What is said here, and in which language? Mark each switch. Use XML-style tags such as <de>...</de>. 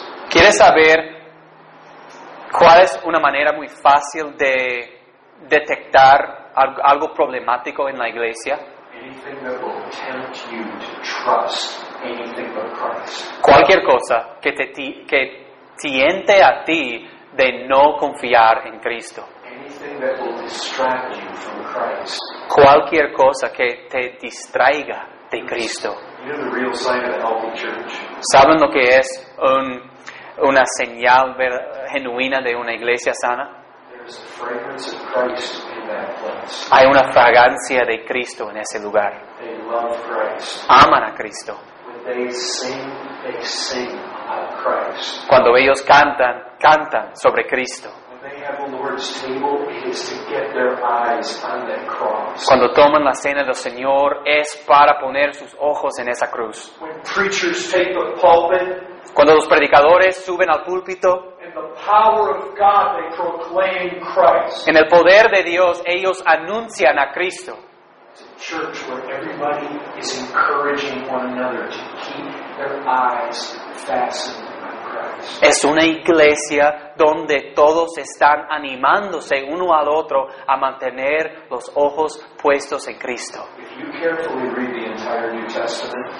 <es>¿Quieres saber cuál es una manera muy fácil de detectar algo problemático en la iglesia?</es> <en>Anything that will tempt you to trust anything but Christ.</en> <es>Cualquier cosa que te tiente a ti de no confiar en Cristo.</es> <en>Anything that will distract you from Christ.</en> <es>Cualquier cosa que te distraiga de Cristo.</es> <en>You know the real sign of a healthy church.</en> <es>¿Saben lo que es una señal genuina de una iglesia sana?</es> <en>There's a fragrance of Christ in that place.</en> <es>Hay una fragancia de Cristo en ese lugar.</es> <en>They love Christ.</en> <es>Aman a Cristo.</es> <en>When they sing about Christ.</en> <es>Cuando ellos cantan sobre Cristo.</es> <en>They have the Lord's table is to get their eyes on that cross.</en> <es>Cuando toman la cena del Señor es para poner sus ojos en esa cruz.</es> <en>When preachers take the pulpit,</en> <es>cuando los predicadores suben al púlpito,</es> <en>in the power of God they proclaim Christ.</en> <es>En el poder de Dios ellos anuncian a Cristo.</es> <en>It's a church where everybody is encouraging one another to keep their eyes fastened.</en> <es>Es una iglesia donde todos están animándose uno al otro a mantener los ojos puestos en Cristo.</es> <en>If you carefully read the entire New Testament,</en>